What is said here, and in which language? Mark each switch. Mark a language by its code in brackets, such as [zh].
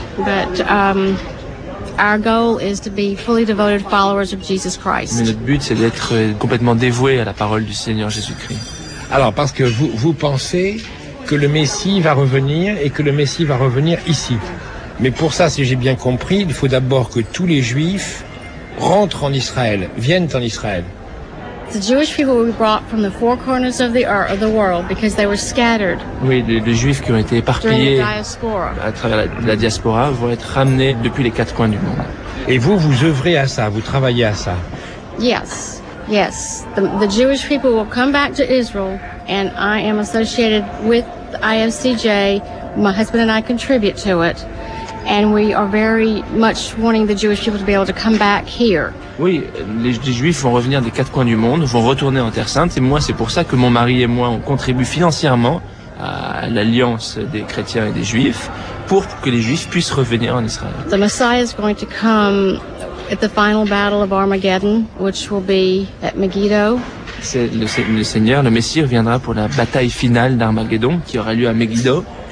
[en] But our goal is to be fully devoted followers of Jesus Christ. [fr] Mais notre but, c'est d'être complètement dévoué à la parole du Seigneur Jésus-Christ. Alors, parce que vous pensez que le Messie va revenir et que le Messie va revenir ici. Mais pour ça, si j'ai bien compris, il faut d'abord que tous les Juifs rentrent en Israël, viennent en Israël. [en] The Jewish people were brought from the four corners of the earth, of the world, because they were scattered. [fr] Oui, les Juifs qui ont été éparpillés à travers la diaspora vont être ramenés depuis les quatre coins du monde. Et vous œuvrez à ça, vous travaillez à ça. [en] Yes, yes. The Jewish people will come back to Israel, and I am associated with IFCJ. My husband and I contribute to it. And we are very much wanting the Jewish people to be able to come back here. [fr] Oui, les Juifs vont revenir des quatre coins du monde, vont retourner en Terre Sainte. Et moi, c'est pour ça que mon mari et moi, on contribue financièrement à l'alliance des chrétiens et des Juifs pour que les Juifs puissent revenir en Israël. [en] The Messiah is going to come at the final battle of Armageddon, which will be at Megiddo. [fr] C'est le Seigneur, le Messie reviendra pour la bataille finale d'Armageddon qui aura lieu à Megiddo.